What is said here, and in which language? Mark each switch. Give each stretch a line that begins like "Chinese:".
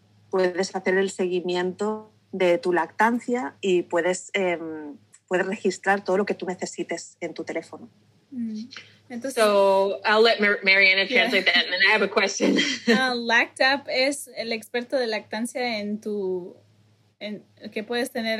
Spanish: Puedes hacer el seguimiento de tu lactancia y puedes registrar todo lo que tú necesites en tu teléfono.
English: Entonces, so I'll let Mariana translate that, and then I have a question.
Spanish: LactApp es el experto de lactancia en tu que puedes tener